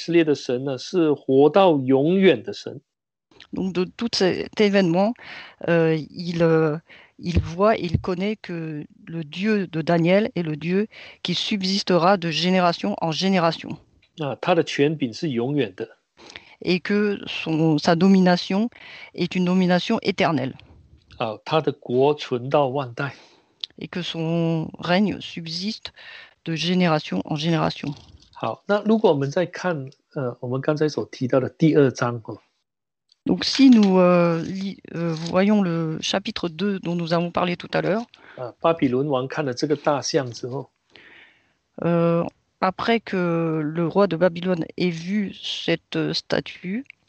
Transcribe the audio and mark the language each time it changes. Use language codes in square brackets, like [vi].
[zh] 他在这个整件事情当中，这个巴比伦王呢，认识到说，这个但以理的神呢，当然以色列的神呢，是活到永远的神。 [fr] Donc de tout cet événement, il voit, il connaît que le Dieu de Daniel est le Dieu qui subsistera de génération en génération. [zh] 啊，他的权柄是永远的。 [fr] Et que sa domination est une domination éternelle. [zh] 啊，他的国存到万代。 [fr] Et que son règne subsiste de génération en génération. [zh] 好，那如果我们再看，我们刚才所提到的第二章哦。 [fr] Donc si nous voyons le chapitre 2 dont nous avons parlé tout à l'heure, [zh] 巴比伦王看了这个大象之后, [fr] après que le roi de Babylone ait vu cette statue,